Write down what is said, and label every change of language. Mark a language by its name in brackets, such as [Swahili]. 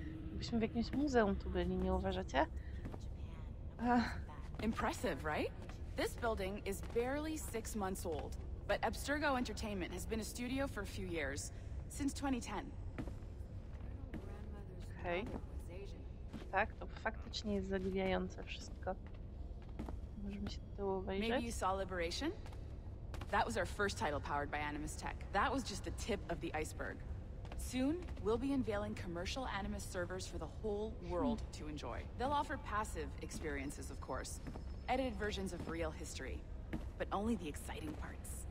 [Polish] Jakbyśmy w jakimś muzeum tu byli, nie uważacie? [English] Impressive, right? This building is barely 6 months old, but Abstergo Entertainment has been a studio for a few years, since 2010. Okay. [Polish] Tak, to faktycznie jest zadziwiające wszystko. Możemy się tu obejrzeć? [English] Maybe you saw Liberation? That was our first title powered by Animus Tech. That was just the tip of the iceberg. Soon, we'll be unveiling commercial Animus servers for the whole world to enjoy. They'll offer passive experiences, of course. Edited versions of real history, but only the exciting parts.